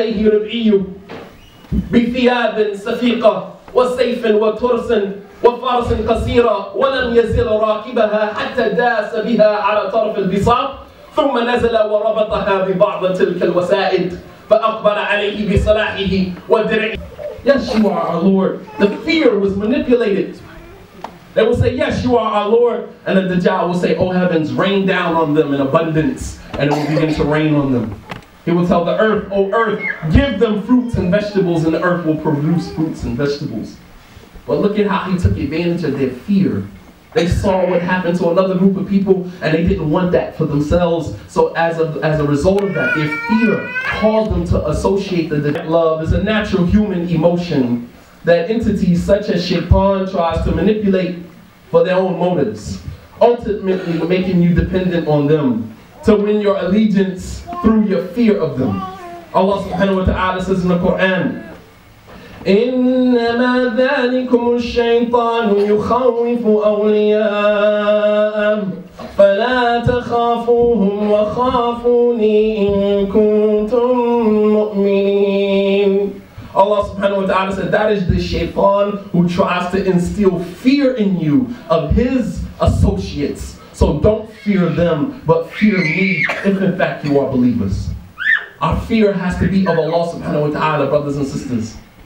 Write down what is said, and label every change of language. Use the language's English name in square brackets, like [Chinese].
[Arabic] ربعي بثياب سفيقة وسيف وترس وفرس قصيرة ولم يزل راكبها حتى داس بها على طرف البساط ثم نزل وربطها ببعض تلك الوسائد فأقبل عليه بصلاحه ودرعه. [English] Yes, you are our Lord. The fear was manipulated. They will say, yes, you are our Lord. And the Dajjal will say, oh heavens, rain down on them in abundance. And it will begin to rain on them. He will tell the earth, oh earth, give them fruits and vegetables, and the earth will produce fruits and vegetables. But look at how he took advantage of their fear. They saw what happened to another group of people, and they didn't want that for themselves. So as a result of that, their fear caused them to associate the Dajjal. Love is a natural human emotion that entities such as Shaitan tries to manipulate for their own motives, ultimately making you dependent on them to win your allegiance through your fear of them. Allah subhanahu wa ta'ala says in the Quran, [Arabic] إِنَّمَا ذَلِكُمُ الشَّيْطَانُ يُخَوِّفُ أَوْلِيَاءً فَلَا تَخَافُوهُمْ وَخَافُونِي إِن كُنتُم مُؤْمِنِينَ. [English] Allah subhanahu wa ta'ala said, that is the shaitan who tries to instill fear in you of his associates. So don't fear them, but fear me if in fact you are believers. Our fear has to be of Allah subhanahu wa ta'ala, brothers and sisters.